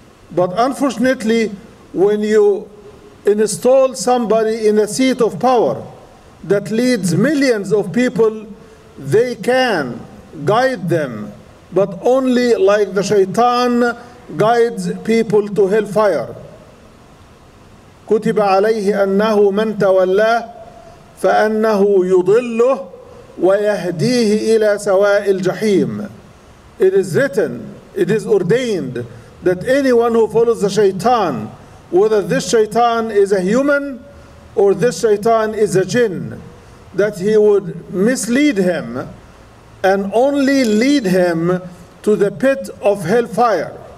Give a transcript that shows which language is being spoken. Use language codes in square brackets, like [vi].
[en] But unfortunately, when you install somebody in a seat of power that leads millions of people, they can guide them, but only like the shaitan guides people to hellfire. [ar] كتب عليه أنه من تولاه فأنه يضله ويهديه إلى سواء الجحيم. [en] It is written, it is ordained that anyone who follows the shaitan, whether this shaitan is a human or this shaitan is a jinn, that he would mislead him and only lead him to the pit of hellfire.